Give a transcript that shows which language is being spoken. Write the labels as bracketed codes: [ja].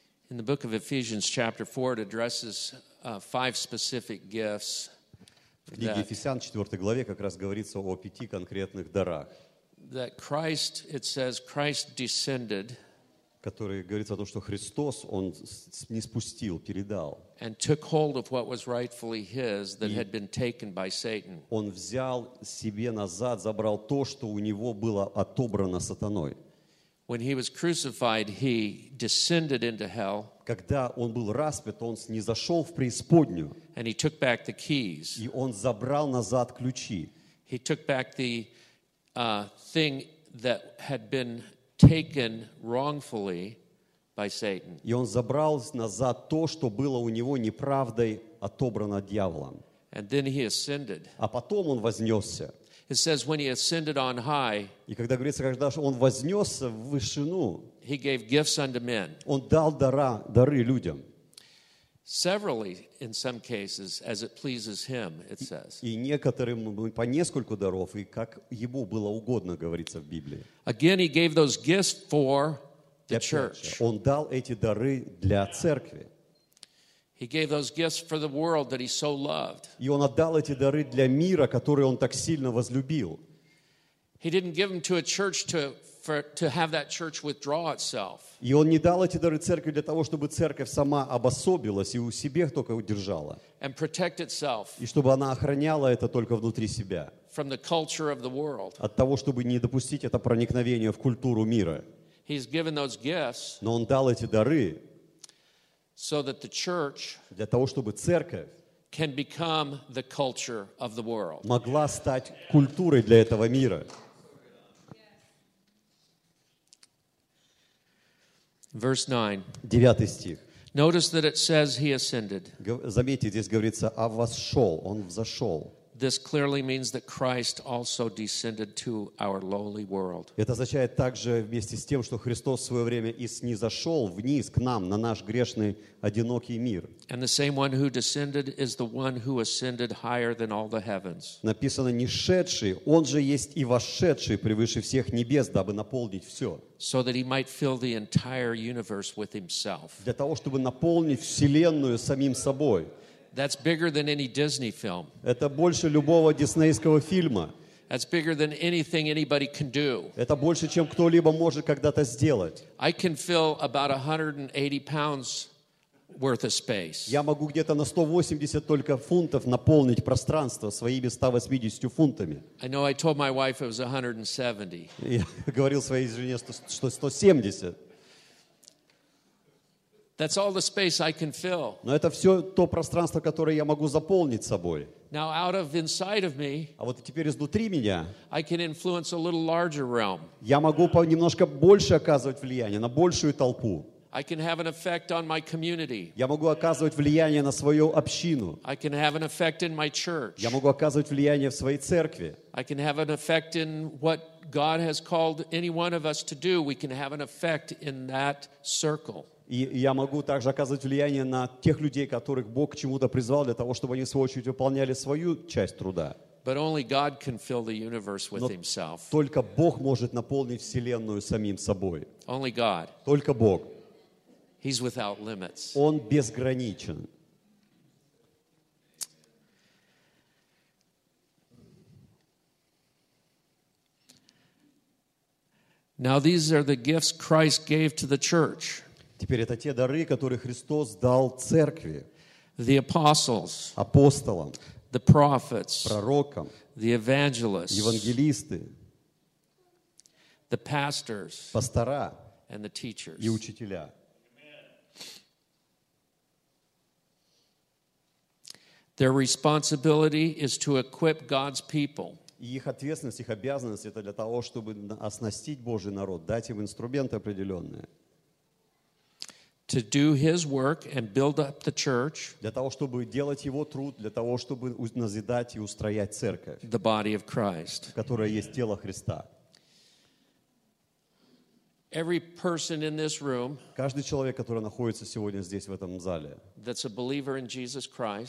[en] In the book of Ephesians chapter 4, it addresses five specific gifts. [ru] В книге Ефесян, 4 главе, как раз говорится о пяти конкретных дарах. [en] That Christ, it says, Christ descended. [ru] Который говорится о том, что Христос, Он не спустил, передал. [en] And took hold of what was rightfully his that had been taken by Satan. [ru] Он взял себе назад, забрал то, что у него было отобрано сатаной. [en] When he was crucified, he descended into hell. [ru] Когда он был распят, он снизошел в преисподнюю. [en] And he took back the keys. [ru] И он забрал назад ключи. [en] He took back the thing that had been taken wrongfully by Satan. [ru] И он забрал назад то, что было у него неправдой отобрано дьяволом. [en] And then he ascended. [ru] А потом он вознесся. [en] It says when he ascended on high. [ru] И когда говорится, когда он вознесся в вышину. [en] He gave gifts unto men. [ru] Он дал дары людям. [en] Severally, in some cases, as it pleases him, it says. [ru] И некоторым по нескольку даров, и как ему было угодно, говорится в Библии. [en] Again, he gave those gifts for the church. [ru] Он дал эти дары для церкви. [en] He gave those gifts for the world that he so loved. [ru] И он отдал эти дары для мира, который он так сильно возлюбил. [en] He didn't give them to a church to have that church withdraw itself. [ru] И он не дал эти дары церкви для того, чтобы церковь сама обособилась и у себя только удержала. [en] And protect itself. [ru] И чтобы она охраняла это только внутри себя. [en] From the culture of the world. [ru] От того, чтобы не допустить это проникновение в культуру мира. [en] He's given those gifts. [ru] Но он дал эти дары. [en] So that the church. [ru] Для того, чтобы церковь. [en] Can become the culture of the world. [ru] Могла стать культурой для этого мира. [en] Verse 9. Notice that it says he ascended. [ru] Заметьте, здесь говорится, а вошел, он взошел. [en] This clearly means that Christ also descended to our lowly world. [ru] Это означает также вместе с тем, что Христос в свое время и снизошел вниз к нам, на наш грешный, одинокий мир. [en] And the same one who descended is the one who ascended higher than all the heavens. [ru] Написано, не шедший, он же есть и вошедший превыше всех небес, дабы наполнить все. [en] So that he might fill the entire universe with himself. [ru] Для того, чтобы наполнить вселенную самим собой. [en] That's bigger than any Disney film. [ru] Это больше любого диснейского фильма. [en] That's bigger than anything anybody can do. [ru] Это больше, чем кто-либо может когда-то сделать. [en] I can fill about 180 pounds worth of space. [ru] Я могу где-то на 180 только фунтов наполнить пространство своими 180 фунтами. [en] I know I told my wife it was 170. [ru] Я говорил своей жене, что 170. [en] That's all the space I can fill. [ru] Но это все то пространство, которое я могу заполнить собой. [en] Now out of inside of me. [ru] А вот теперь изнутри меня. [en] I can influence a little larger realm. [ru] Я могу немножко больше оказывать влияние на большую толпу. [en] I can have an effect on my community. [ru] Я могу оказывать влияние на свою общину. [en] I can have an effect in my church. [ru] Я могу оказывать влияние в своей церкви. [en] I can have an effect in what God has called any one of us to do. We can have an effect in that circle. [ru] И я могу также оказывать влияние на тех людей, которых Бог к чему-то призвал для того, чтобы они в свою очередь выполняли свою часть труда. [en] But only God can fill the universe with Himself. [ru] Только Бог может наполнить вселенную самим собой. [en] Only God. [ru] Только Бог. [en] He's without limits. [ru] Он безграничен. [en] Now these are the gifts Christ gave to the church. [ru] Теперь это те дары, которые Христос дал церкви. [en] The apostles. [ru] Апостолам. [en] The prophets, [ru] пророкам, [en] the evangelists, [ru] евангелисты, [en] the pastors, [ru] пастора, [en] and the teachers, [ru] и учителя. [en] Their responsibility is to equip God's people. [ru] И их ответственность, их обязанность это для того, чтобы оснастить Божий народ, дать им инструменты определенные. [en] To do His work and build up the church. [ru] Для того чтобы делать Его труд, для того чтобы назидать и устроять церковь. [en] The body of Christ. [ru] Которая есть тело Христа. [en] Every person in this room. [ru] Каждый человек, который находится сегодня здесь в этом зале. [en] That's a believer in Jesus Christ.